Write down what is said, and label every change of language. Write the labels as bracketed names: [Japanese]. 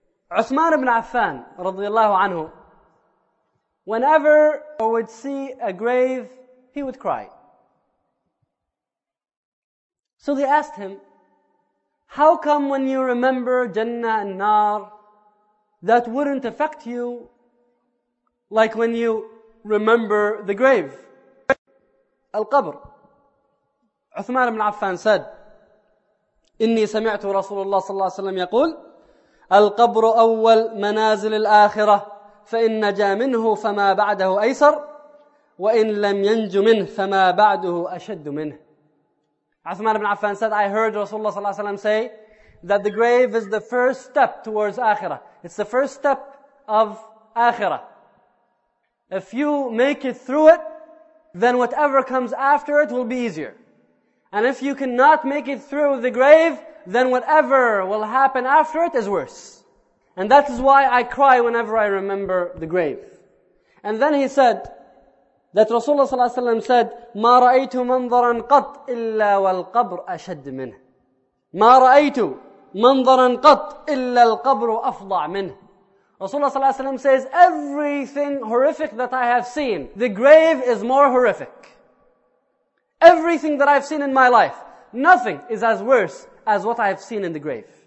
[English] Uthman ibn Affan, radiallahu anhu, whenever he would see a grave, he would cry. So they asked him, how come when you remember Jannah and Nar, that wouldn't affect you like when you remember the grave? [Arabic] القبر. عثمان بن عفان said, إني سمعت رسول الله صلى الله عليه وسلم يقول, القبر أول منازل الآخرة, فإن نجا منه فما بعده أيسر, وإن لم ينج منه فما بعده أشد منه. [English] عثمان بن عفان said, I heard Rasulullah صلى الله عليه وسلم say that the grave is the first step towards Akhirah. It's the first step of Akhirah. If you make it through it, then whatever comes after it will be easier. And if you cannot make it through the grave, then whatever will happen after it is worse. And that is why I cry whenever I remember the grave. And then he said that Rasulullah [Arabic] صلى الله عليه وسلم said, مَا رَأَيْتُ مَنْظَرًا قَطْ إِلَّا وَالْقَبْرُ أَشَدٍ مِنْهِ. مَا رَأَيْتُ مَنْظَرًا قَطْ إِلَّا الْقَبْرُ أَفْضَعْ مِنْهِ. [English] Rasulullah صلى الله عليه وسلم says, everything horrific that I have seen, the grave is more horrific. Everything that I've seen in my life, nothing is as worse as what I have seen in the grave.